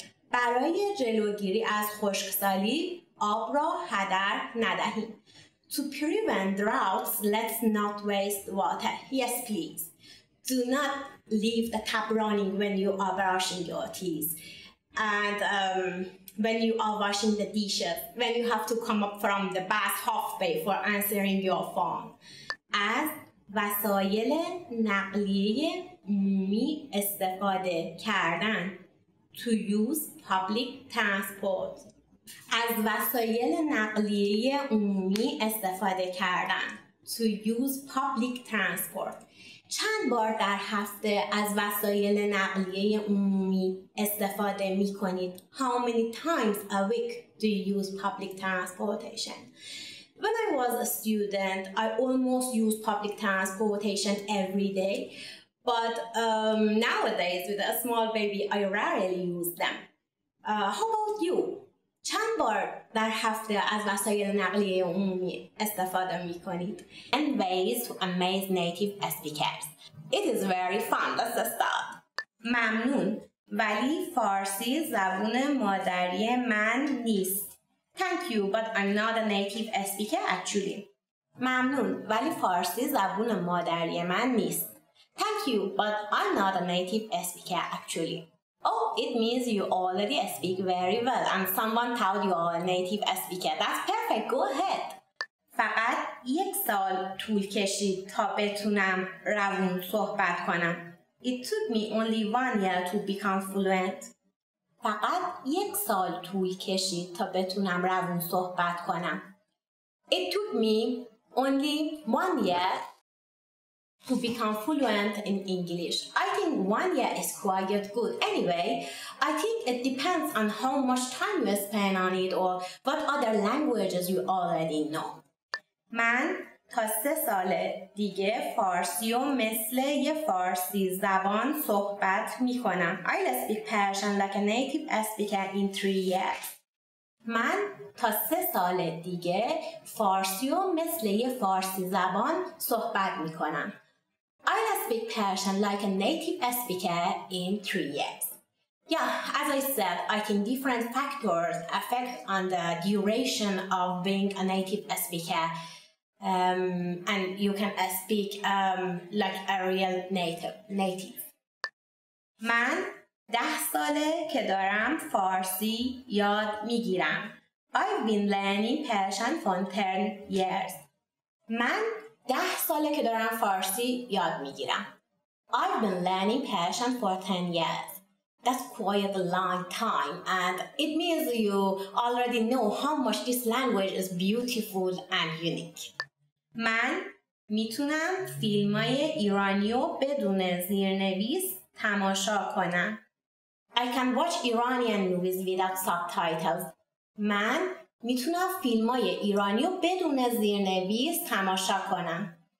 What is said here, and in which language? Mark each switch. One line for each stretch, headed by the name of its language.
Persian: برای جلوگیری از خشکسالی آب را هدر ندهیم.
English: To prevent droughts, let's not waste water. Yes, please. Do not leave the tap running when you are brushing your teeth. And when you are washing the dishes, when you have to come up from the bath halfway for answering your phone.
Persian: As وسایل نقلیه عمومی استفاده کردن.
English: To use public transport.
Persian: از وسایل نقلیه عمومی استفاده کردن.
English: to use public transport.
Persian: چند بار در هفته از وسایل نقلیه عمومی استفاده می کنید؟
English: How many times a week do you use public transportation? When I was a student, I almost used public transportation every day. But nowadays, with a small baby, I rarely use them. How about you?
Persian: چند بار در هفته از وسایل نقلیه عمومی استفاده می کنید؟
English: And ways to amaze native speakers. It is very fun, that's the start.
Persian: ممنون. ولی فارسی زبون مادری من نیست.
English: Thank you, but I'm not a native speaker actually.
Persian: ممنون. ولی فارسی زبون مادری من نیست.
English: Thank you, but I'm not a native speaker actually. Oh, it means you already speak very well and someone told you are a native speaker. That's perfect. Go ahead.
Persian: فقط یک سال طول کشید تا بتونم روان صحبت کنم.
English: It took me only 1 year to become fluent.
Persian: فقط یک سال طول کشید تا بتونم روان صحبت کنم.
English: It took me only 1 year to become fluent in English. I think 1 year is quite good. Anyway, I think it depends on how much time you spend on it or what other languages you already know.
Persian: من تا 3 سال دیگه فارسی و مثل یه فارسی زبان صحبت می کنم.
English: I'll speak Persian like a native speaker in 3 years.
Persian: من تا 3 سال دیگه فارسی و مثل یه فارسی زبان صحبت می کنم.
English: I'll speak Persian like a native speaker in 3 years. Yeah, as I said, I think different factors affect on the duration of being a native speaker and you can speak like a real native.
Persian: من 10 ساله که دارم فارسی یاد میگیرم.
English: I've been learning Persian for 10 years.
Persian: من 10 ساله که دارم فارسی یاد میگیرم.
English: I've been learning Persian for 10 years. That's quite a long time and it means you already know how much this language is beautiful and unique.
Persian: من میتونم فیلمای ایرانیو بدون زیرنویس تماشا کنم.
English: I can watch Iranian movies without subtitles.
Persian: من میتونم فیلمای ایرانیو بدون زیرنویس تماشا کنم.